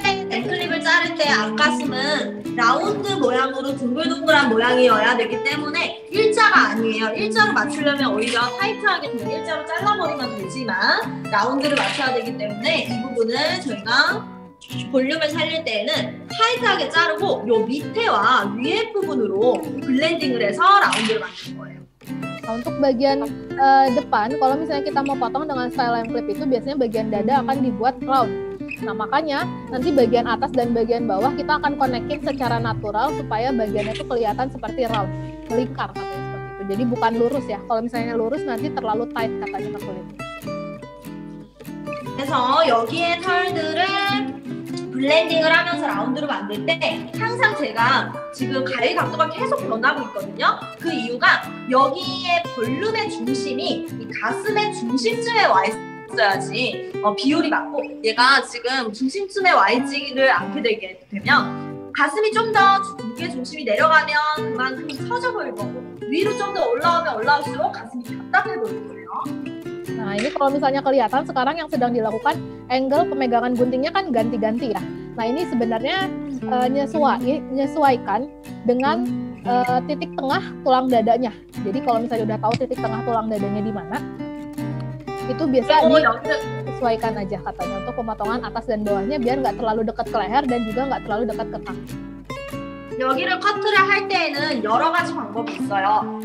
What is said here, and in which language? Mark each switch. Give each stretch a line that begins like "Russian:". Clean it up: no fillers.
Korean: Klip을 자를 때 앞가슴은 라운드 모양으로 둥글둥글한 모양이어야 되기 때문에 일자가 아니에요. 일자로 맞추려면 오히려 타이트하게 일자로 잘라버리면 되지만 라운드를 맞춰야 되기 때문에 이 부분은 저희가 볼륨을 살릴 때에는 타이트하게 자르고 요 밑에와 위에 부분으로 블렌딩을 해서 라운드를 만드는 거예요.
Indonesian: Nah, untuk bagian depan, kalau misalnya kita mau potong dengan style yang clip itu, biasanya bagian dada akan dibuat round. Nah, makanya nanti bagian atas dan bagian bawah kita akan konekin secara natural supaya bagiannya itu kelihatan seperti round, lingkar katanya seperti itu. Jadi bukan lurus ya. Kalau misalnya lurus nanti terlalu tight katanya ke kulit.
Korean: 그래서 여기에 털들을 블렌딩을 하면서 라운드를 만들 때 항상 제가 지금 가위 각도가 계속 변하고 있거든요. 그 이유가 여기에 볼륨의 중심이 이 가슴의 중심쯤에 와 있어야지 비율이 맞고 얘가 지금 중심쯤에 와 있지를 않게 되게 되면 가슴이 좀 더 무게 중심이 내려가면 그만 힘이 처져 버릴 거고 위로 좀 더 올라오면 올라올수록 가슴이 답답해 보일 거예요.
Indonesian: Nah ini kalau misalnya kelihatan sekarang yang sedang dilakukan angle pemegangan guntingnya kan ganti-ganti ya. Nah ini sebenarnya menyesuaikan dengan titik tengah tulang dadanya. Jadi kalau misalnya udah tahu titik tengah tulang dadanya di mana, itu biasa disesuaikan aja katanya untuk pemotongan atas dan bawahnya biar nggak terlalu dekat ke leher dan juga nggak terlalu dekat ke tangan.
Korean: 여기를 커트를 할 때에는 여러 가지 방법이 있어요.